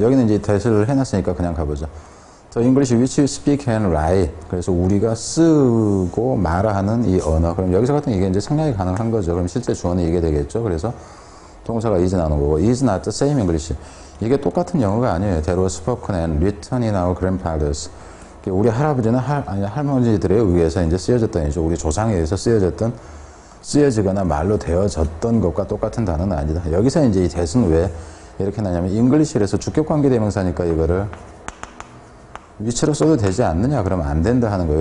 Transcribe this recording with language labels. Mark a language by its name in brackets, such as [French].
[Korean] 여기는 이제 대시를 해놨으니까 그냥 가보죠. [English] The English which you speak and write. [Korean] 그래서 우리가 쓰고 말하는 이 언어. 그럼 여기서 같은 이게 이제 상당히 가능한 거죠. 그럼 실제 주어는 이게 되겠죠. 그래서 동사가 is 나오는 거고. [English] is not the same English. [Korean] 이게 똑같은 영어가 아니에요. [English] They were spoken and written in our grandfathers. [Korean] 우리 할아버지나 할머니들에 의해서 이제 쓰여졌던, 이죠. 우리 조상에 의해서 쓰여졌던, 쓰여지거나 말로 되어졌던 것과 똑같은 단어는 아니다. 여기서 이제 이 that은 왜 이렇게 나냐면, English에서 주격 관계 대명사니까 이거를 위치로 써도 되지 않느냐? 그러면 안 된다 하는 거예요.